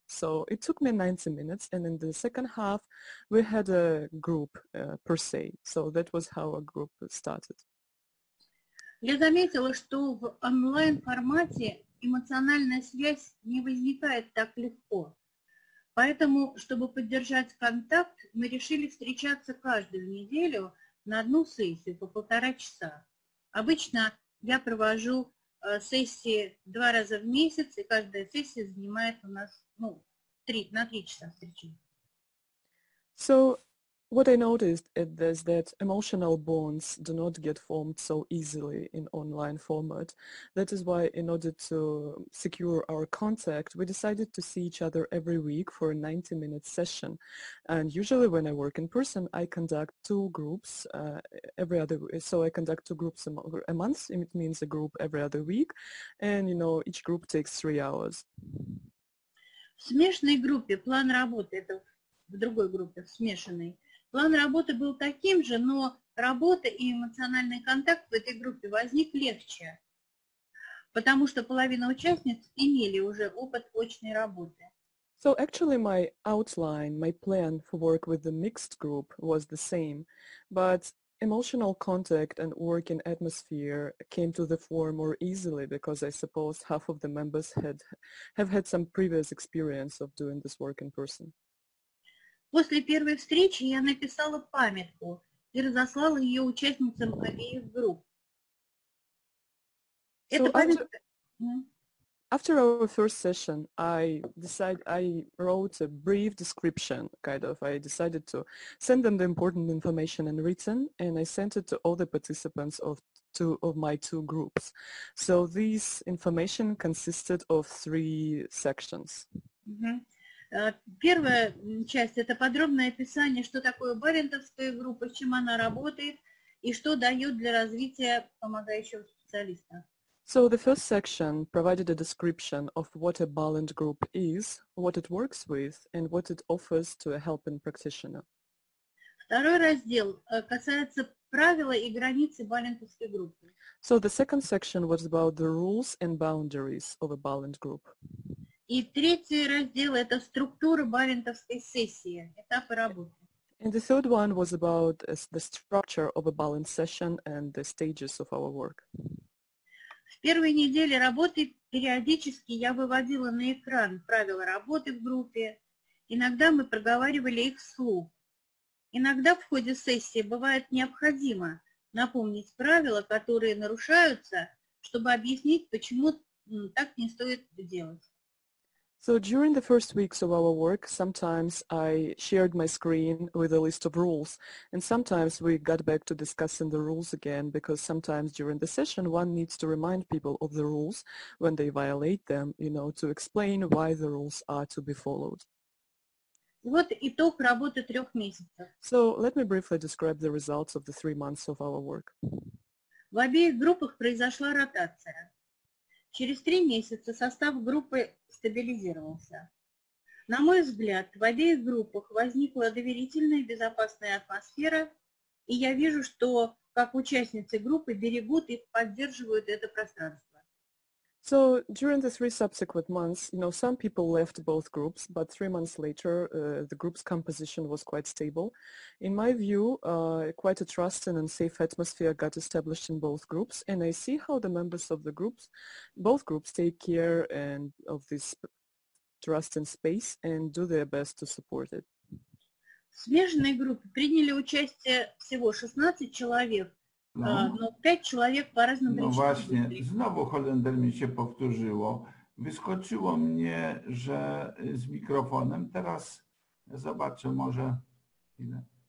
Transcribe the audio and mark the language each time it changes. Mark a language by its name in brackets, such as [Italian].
[English] So it took me 90 minutes, and in the second half, we had a group per se. So that was how a group started. [Russian] Я заметила, что в онлайн-формате эмоциональная связь не возникает так легко. Поэтому, чтобы поддержать контакт, мы решили встречаться каждую неделю на одну сессию по полтора часа. Обычно я провожу сессии два раза в месяц, и каждая сессия занимает у нас три часа встречи. [English] So... What I noticed is that emotional bonds do not get formed so easily in online format. That is why, in order to secure our contact, we decided to see each other every week for a 90-minute session. And usually when I work in person, I conduct two groups every other week. So I conduct two groups a month. It means a group every other week. And, you know, each group takes 3 hours. [Russian] В смешанной группе план работы, это в другой группе, в смешанной. План работы был таким же, но работа и эмоциональный контакт в этой группе возник легче, потому что половина участниц имели уже опыт очной работы. [English] So actually my outline, my plan for work with the mixed group was the same, but emotional contact and working atmosphere came to the fore more easily because I suppose half of the members have had some previous experience of doing this work in person. [Russian] После первой встречи я написала памятку и разослала ее участницам обеих групп. [English] After our first session, I wrote a brief description, kind of. I decided to send them the important information in written, and I sent it to all the participants of my two groups. So this information consisted of 3 sections. Mm-hmm. [Russian] Первая часть – это подробное описание, что такое Балентовская группа, с чем она работает и что дает для развития помогающего специалиста. [English] So the first section provided a description of what a Balint group is, what it works with, and what it offers to a helping practitioner. [Russian] Второй раздел касается правила и границы балинтовской группы. [English] So the second section was about the rules and boundaries of a Balint group. [Russian] И третий раздел – это структура балинтовской сессии, этапы работы. [English] And the third one was about the structure of a Balint session and the stages of our work. [Russian] В первой неделе работы периодически я выводила на экран правила работы в группе. Иногда мы проговаривали их вслух. Иногда в ходе сессии бывает необходимо напомнить правила, которые нарушаются, чтобы объяснить, почему так не стоит делать. [English] So during the first weeks of our work, sometimes I shared my screen with a list of rules, and sometimes we got back to discussing the rules again, because sometimes during the session one needs to remind people of the rules when they violate them, you know, to explain why the rules are to be followed. [Russian] Вот итог работы трех месяцев. [English] So let me briefly describe the results of the 3 months of our work. [Russian] В обеих группах произошла ротация. Через 3 месяца состав группы стабилизировался. На мой взгляд, в обеих группах возникла доверительная и безопасная атмосфера, и я вижу, что как участницы группы берегут и поддерживают это пространство. [English] So during the 3 subsequent months, you know, some people left both groups, but 3 months later, the group's composition was quite stable. In my view, quite a trusting and safe atmosphere got established in both groups, and I see how the members of the groups, both groups, take care and of this trust and space and do their best to support it. [Russian] В смежной группе приняли участие всего 16 человек. Ну, 5 человек по разным причинам. [Polish] Ну, właśnie, znowu Holender mi się powtórzyło. Wyskoczyło mnie, że z mikrofonem. Teraz zobaczę może chwilę.